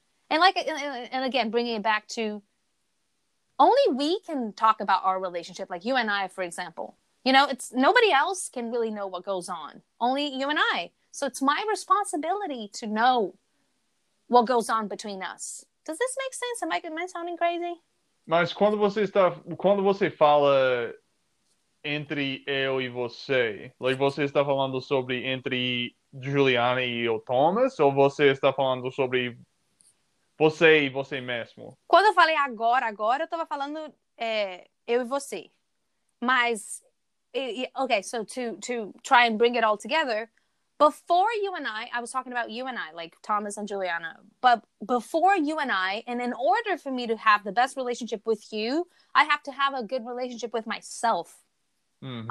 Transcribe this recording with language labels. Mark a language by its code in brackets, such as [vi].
[en] And again, bringing it back to only we can talk about our relationship, like you and I, for example. You know, it's nobody else can really know what goes on, only you and I. So it's my responsibility to know what goes on between us. Does this make sense? Am I sounding crazy? [pt] Mas quando você fala entre eu e você, like você está falando sobre entre Juliana e o Thomas, ou você está falando sobre você e você mesmo? Quando eu falei agora, eu estava falando eu e você. [en] Mas, okay, so to try and bring it all together, before you and I was talking about you and I, like Thomas and Juliana, but before you and I, and in order for me to have the best relationship with you, I have to have a good relationship with myself. Mm-hmm.